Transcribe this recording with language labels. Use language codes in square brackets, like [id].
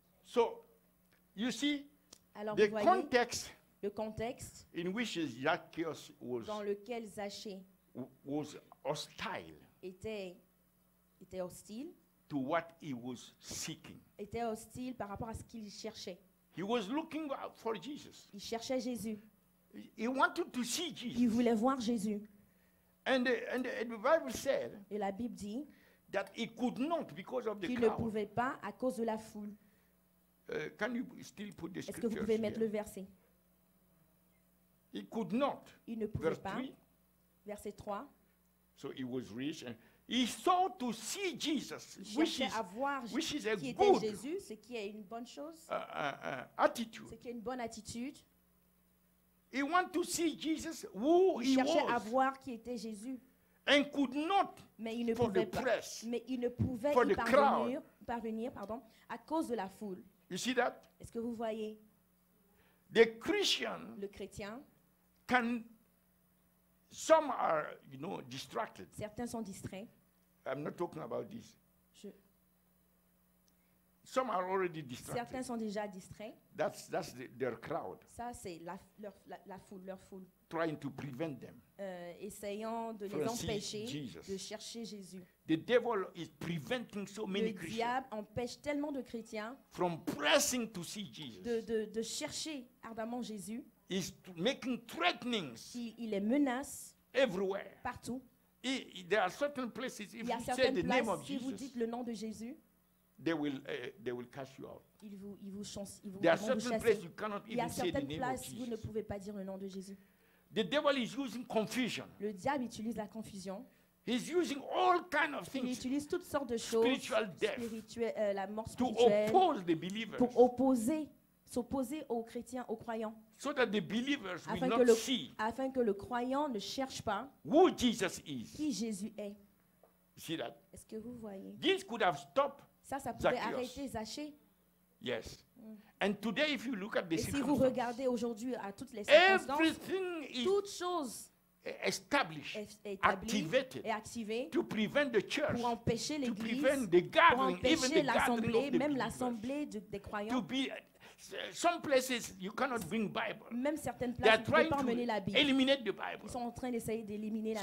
[en] So, you see, [fr] alors, [en] the [fr] vous voyez, [en] context [fr] le contexte [en] in which Zacchaeus was [fr] dans lequel Zachée [en] was hostile [fr] était hostile [en] to what he was seeking. [fr] Était hostile par rapport à ce qu'il cherchait. [en] He was looking for Jesus. [fr] Il cherchait Jésus. [en] He wanted to see Jesus. [fr] Il voulait voir Jésus. [en] And the Bible said [fr] et la Bible dit [en] that he could not because of the [fr] qu'il [en] crowd. [fr] Ne pouvait pas à cause de la foule. [en] Can you still put the [fr] est-ce que vous pouvez mettre [en] here? [fr] Le verset? [en] He could not. [fr] Il ne pouvait pas. [en] Verse 3. So he was rich. And he sought to see Jesus, which is, [fr] à voir [en] which is a [fr] qui [en] good [fr] était Jésus, ce qui est une bonne chose. [en] Attitude. [fr] Ce qui est une bonne attitude. [en] He wanted to see Jesus who [fr] il [en] he was. [fr] Il cherchait à voir qui était Jésus. [en] And could not [fr] mais il ne [en] for [fr] pouvait [en] the [fr] pas. [en] Press, [fr] mais il ne pouvait [en] for the [fr] parvenir, [en] crowd. [fr] Parvenir pardon, à cause de la foule. [en] You see that? [fr] Est-ce que vous voyez? [en] The Christian [fr] le chrétien [en] can some are you know distracted. [fr] Certains sont distraits. [en] I'm not talking about this. Some are already distracted. [fr] Certains sont déjà distraits. [en] That's their crowd. [fr] Ça c'est leur foule. [en] Trying to prevent them. [fr] Essayant de les empêcher de chercher Jésus. [en] The devil is preventing so many Christians. [fr] Le diable empêche tellement de chrétiens [en] from pressing to see Jesus. [fr] De chercher ardemment Jésus. [en] He's making threatenings. [fr] Il les menace. [en] Everywhere. [fr] Partout. [en] There are certain places if you say the name of Jesus. [fr] Si vous dites le nom de Jésus. [en] they will cast you out. [fr] Il y a certaines places où vous ne pouvez pas dire le nom de Jésus. [en] The devil is using confusion. [fr] Le diable utilise la confusion. [en] He's using all kind of things. [fr] Il utilise toutes sortes de choses. [en] Spiritual death. [fr] La mort spirituelle. [en] To oppose the believers. [fr] Pour s'opposer aux chrétiens, aux croyants. [en] So that the believers [fr] afin que le croyant ne cherche pas [en] who Jesus is. [fr] Qui Jésus est. [en] See that? [fr] Est-ce que vous voyez? [en] This could have stopped [fr] ça pouvait Zacchaeus. Arrêter Zachée. [en] Yes. And today, if you look at the [fr] et si vous regardez aujourd'hui à toutes les circonstances, toutes choses est établie, activée [en] to prevent the church, [fr] pour empêcher l'église, [en] to prevent the gathering, [fr] pour empêcher [en] even the [fr] l'assemblée, [en] gathering [fr] même l'assemblée des croyants. [en] To be, some places you cannot bring Bible. [fr] Même certaines places vous ne pouvez pas emmener la Bible. [en] Eliminate the Bible. [fr] Ils sont en train d'essayer d'éliminer la